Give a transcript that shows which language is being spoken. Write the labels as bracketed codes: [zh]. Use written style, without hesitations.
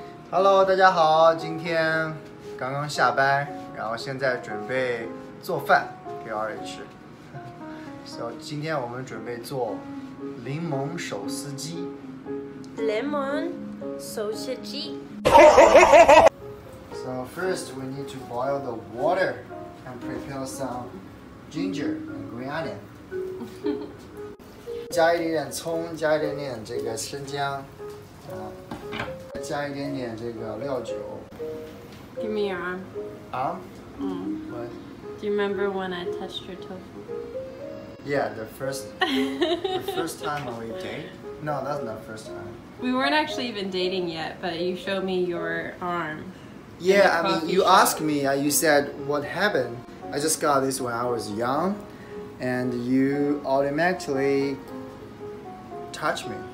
[en] Hello， [zh] 大家好，今天刚刚下班，然后现在准备做饭给二位吃。 So, 今天我们准备做柠檬手撕鸡。 [en] Lemon sausage鸡。 So first we need to boil the water and prepare some ginger and green onion. [zh] 加一点点葱，加一点点这个生姜，加一点点这个料酒。 [en] Give me your arm. Arm? What? Do you remember when I touched your tofu? Yeah, the first time when we date. No, that's not the first time. We weren't actually even dating yet, but you showed me your arm. Yeah, I mean, you asked me, you said, what happened? I just got this when I was young, and you automatically touched me.